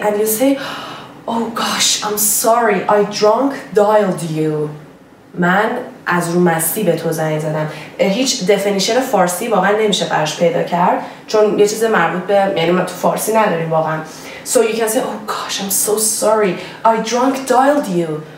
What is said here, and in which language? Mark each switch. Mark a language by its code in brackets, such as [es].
[en] And you say, oh gosh, I'm sorry, I drunk dialed you. [fa] من از رو مستی به تو زنگ زدم. هیچ دفینیشن فارسی واقعا نمیشه براش پیدا کرد چون یه چیز مربوط به، یعنی ما تو فارسی نداریم واقعا. [en] So you can say, oh gosh, I'm so sorry, I drunk dialed you.